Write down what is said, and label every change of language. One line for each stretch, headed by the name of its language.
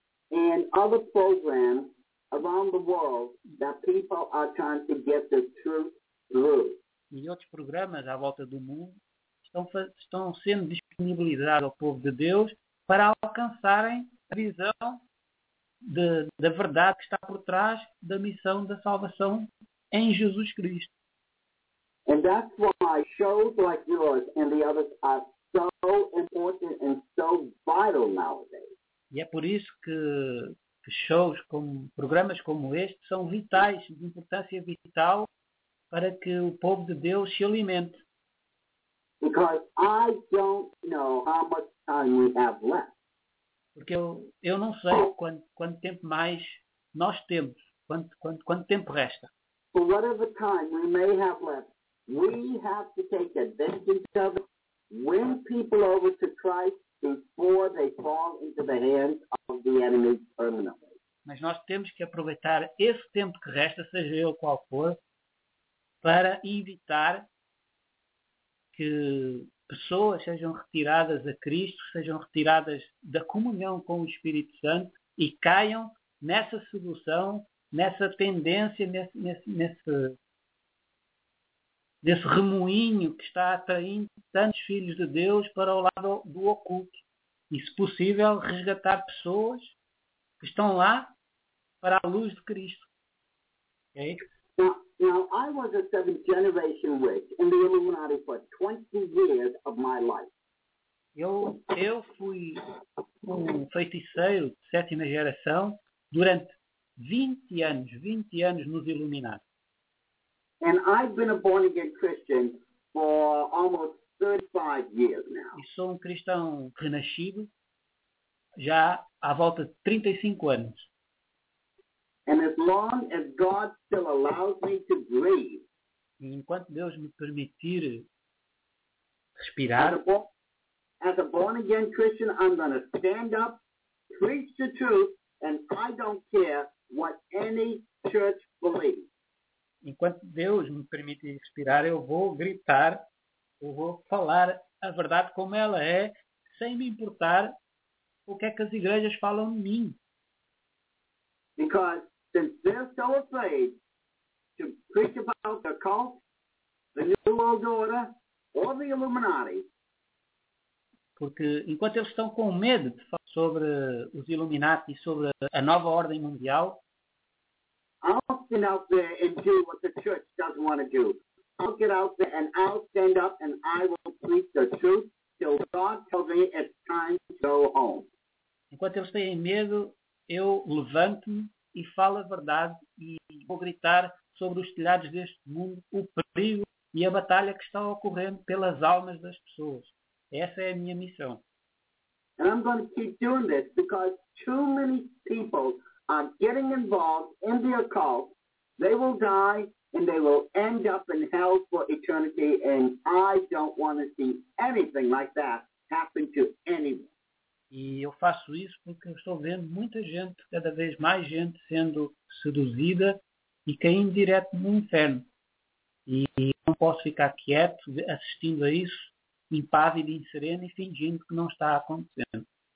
Portuguese: e outros programas
English: around the world that people are trying to get the truth through.
Portuguese: E outros programas à volta do mundo estão sendo disponibilizados ao povo de Deus para alcançarem a visão da verdade que está por trás da missão da salvação em Jesus Cristo.
English: And that's why shows like yours and the others are so important and so vital nowadays.
Portuguese: E é por isso que shows como programas como este são vitais, de importância vital, para que o povo de Deus se alimente.
English: Because I don't know how much time we have left.
Portuguese: Porque eu não sei quanto tempo mais nós temos, quanto tempo resta.
English: For whatever time we may have left, we have to take advantage of it, win people over to Christ before they fall into the hands of the enemy permanently.
Portuguese: Mas nós temos que aproveitar esse tempo que resta, seja ele qual for, para evitar que pessoas sejam retiradas a Cristo, sejam retiradas da comunhão com o Espírito Santo e caiam nessa sedução, nessa tendência, nesse remoinho que está atraindo tantos filhos de Deus para o lado do oculto. E, se possível, resgatar pessoas que estão lá para a luz de Cristo.
English: Okay? Now, I was a seventh generation witch in the Illuminati for 20 years of my life.
Portuguese: Eu fui um feiticeiro de sétima geração durante 20 anos nos Illuminati.
English: And I've been a born again Christian for almost 35 years now.
Portuguese: E sou um cristão renascido já à volta de 35 anos.
English: And as long as God still allows me to breathe,
Portuguese: e enquanto Deus me permitir respirar,
English: as a born again Christian, I'm going to stand up, preach the truth, and I don't care what any church believes.
Portuguese: Enquanto Deus me permitir respirar, eu vou gritar, eu vou falar a verdade como ela é, sem me importar o que é que as igrejas falam de mim.
English: Because since they're so afraid to preach about the cult, the New World Order, or the Illuminati.
Portuguese: Porque enquanto eles estão com medo de falar sobre os Illuminati e sobre a nova ordem mundial,
English: I'll stand out there and do what the church doesn't want to do. I'll get out there and I'll stand up and I will preach the truth until God tells me it's time to go home.
Portuguese: Enquanto eles têm medo, eu levanto-me e falo a verdade e vou gritar sobre os telhados deste mundo, o perigo e a batalha que está ocorrendo pelas almas das pessoas. Essa é a minha missão.
English: And I'm going to keep doing this because too many people are getting involved in the occult. They will die and they will end up in hell for eternity, and I don't want to see anything like that happen to anyone.
Portuguese: E eu faço isso porque eu estou vendo muita gente, cada vez mais gente, sendo seduzida e caindo direto no inferno. E não posso ficar quieto assistindo a isso, impávido e sereno, e fingindo que não está acontecendo.